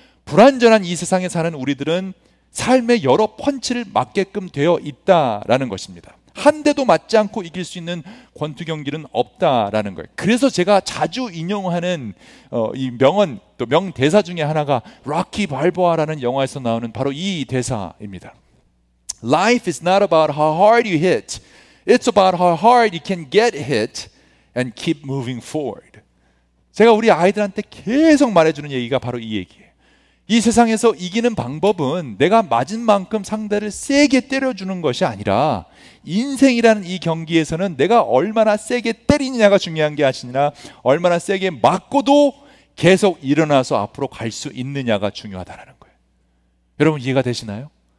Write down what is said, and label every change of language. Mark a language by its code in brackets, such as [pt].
[ko] 불완전한 이 세상에 사는 우리들은 삶의 여러 펀치를 맞게끔 되어 있다라는 것입니다. 한 대도 맞지 않고 이길 수 있는 권투 경기는 없다라는 거예요. 그래서 제가 자주 인용하는 이 명언 또 명대사 중에 하나가 로키 발보아라는 영화에서 나오는 바로 이 대사입니다. [en] Life is not about how hard you hit. It's about how hard you can get hit and keep moving forward. [ko] 제가 우리 아이들한테 계속 말해주는 얘기가 바로 이 얘기예요. 이 세상에서 이기는 방법은 내가 맞은 만큼 상대를 세게 때려주는 것이 아니라 인생이라는 이 경기에서는 내가 얼마나 세게 때리느냐가 중요한 게 아니라 얼마나 세게 맞고도 계속 일어나서 앞으로 갈 수 있느냐가 중요하다는 거예요. 여러분 이해가 되시나요?